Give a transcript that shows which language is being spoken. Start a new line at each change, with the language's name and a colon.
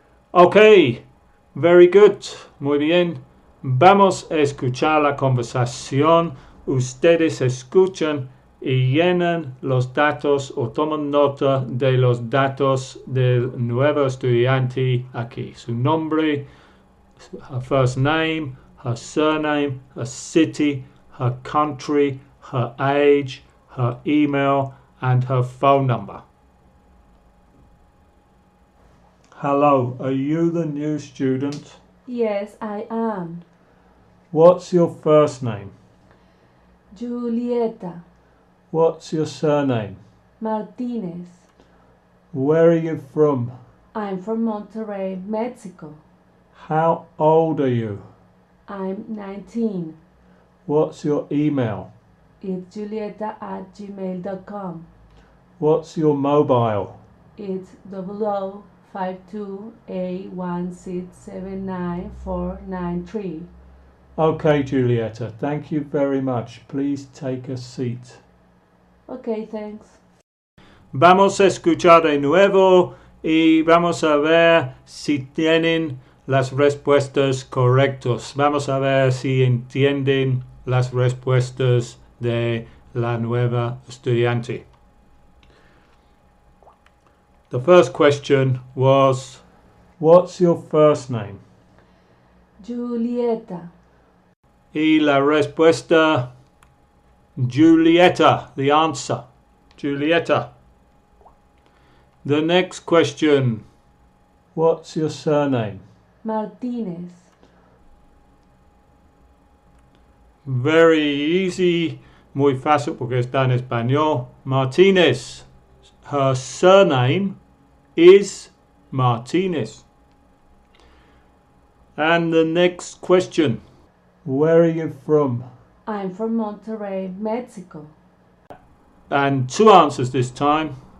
English: Ok, very good,
Spanish: muy bien. Vamos a escuchar la conversación. Ustedes escuchan y llenan los datos o toman nota de los datos del nuevo estudiante aquí. Su nombre,
English: her first name, her surname, her city, her country, her age, her email, and her phone number. Hello, are you the new student? Yes, I am. What's your first name? Julieta. What's your surname? Martinez. Where are you from? I'm from Monterrey, Mexico. How old are you? I'm 19. What's your email? It's julieta@gmail.com. What's your mobile? It's 00528167943. Okay, Julieta, thank you very much. Please take a seat. Okay, thanks.
Spanish: Vamos a escuchar de nuevo y vamos a ver si tienen las respuestas correctas. Vamos a ver si entienden las respuestas de la nueva estudiante.
English: The first question was, what's your first name? Julieta.
Spanish: Y la respuesta, Julieta,
English: the answer,
Spanish: Julieta.
English: The next question, what's your surname? Martinez. Very easy,
Spanish: muy fácil porque está en español.
English: Martinez, her surname is Martinez. And the next question, where are you from? I'm from Monterrey, Mexico. And two answers this time.